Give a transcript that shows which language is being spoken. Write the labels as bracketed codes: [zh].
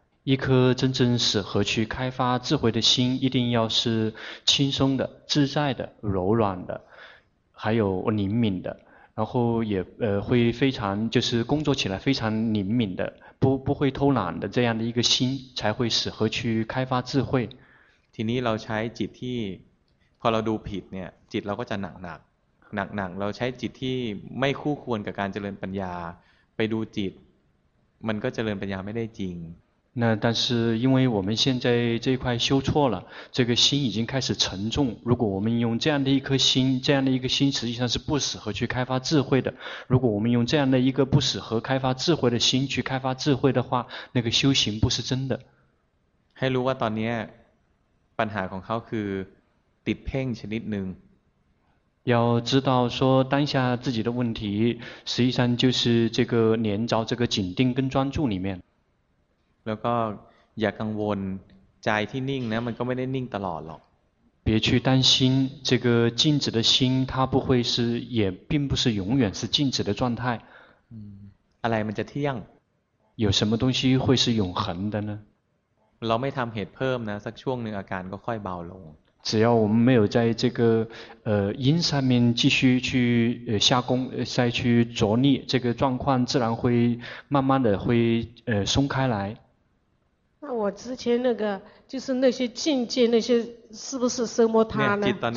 [zh] 一颗真正适合去开发智慧的心一定要是轻松的自在的柔软的还有灵敏的然后也会非常就是工作起来非常灵敏的不会偷懒的这样的一个心才会适合去开发智慧 [th] ทีนี้เราใช้จิตที่พอเราดูผิดเนี่ยจิตเราก็จะหนักๆเราใช้จิตที่ไม่คู่ควรกับการเจริญปัญญาไปดูจิต มันก็เจริญปัญญาไม่ได้จริง [zh] 那但是因为我们现在这块修错了这个心已经开始沉重如果我们用这样的一颗心这样的一个心实际上是不适合去开发智慧的如果我们用这样的一个不适合开发智慧的心去开发智慧的话那个修行不是真的 [th] ให้รู้ว่าตอนนี้ปัญหาของเขาคือติดเพ่งชนิดนึง [zh] 要知道说当下自己的问题实际上就是这个连着这个紧定跟专注里面 [th] แล้วก็อย่ากังวลใจที่นิ่งนะมันก็ไม่ได้นิ่งตลอดหรอก [zh] 别去担心这个静止的心它不会是也并不是永远是静止的状态 [th] อะไรมันจะเที่ยง [zh] 有什么东西会是永恒的呢 [th] เราไม่ทำเหตุเพิ่มนะสักช่วงหนึ่งอาการก็ค่อยเบาลง [zh] 只要我们没有在这个因上面继续去下功再去着力这个状况自然会慢慢的会松开来那我之前那个就是那些境界那些是不是奢摩他呢